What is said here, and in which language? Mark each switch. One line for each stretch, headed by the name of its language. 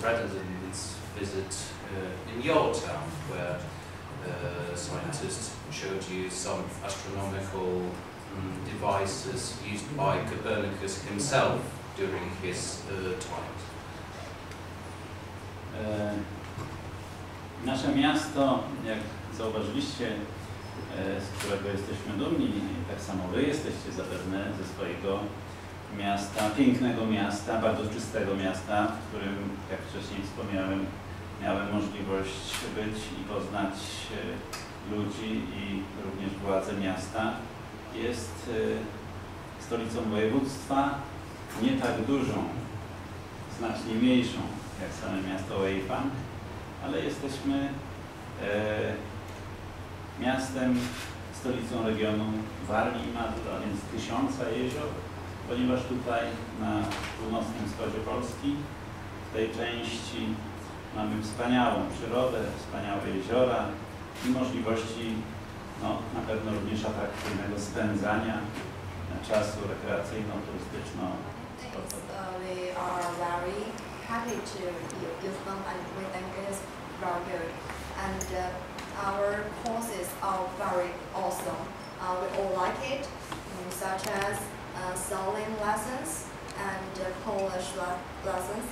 English: President's visit in your town, where scientists showed you some astronomical devices used by Copernicus himself during his time.
Polish: Nasze miasto, jak zauważyliście, z którego jesteśmy dumni, tak samo wy jesteście zapewne ze swojego miasta, pięknego miasta, bardzo czystego miasta, w którym, jak wcześniej wspomniałem, miałem możliwość być i poznać ludzi i również władze miasta, jest stolicą województwa, nie tak dużą, znacznie mniejszą jak same miasto Weifang, ale jesteśmy miastem, stolicą regionu Warmii i Mazur, a więc tysiąca jezior, ponieważ tutaj na północnym wschodzie Polski, w tej części mamy wspaniałą przyrodę, wspaniałe jeziora i możliwości, no, na pewno również atrakcyjnego spędzania czasu rekreacyjno-turystyczno-sportowego.
English: Happy to give them and we think it's very good. And our courses are very awesome. We all like it, such as sailing lessons and Polish lessons.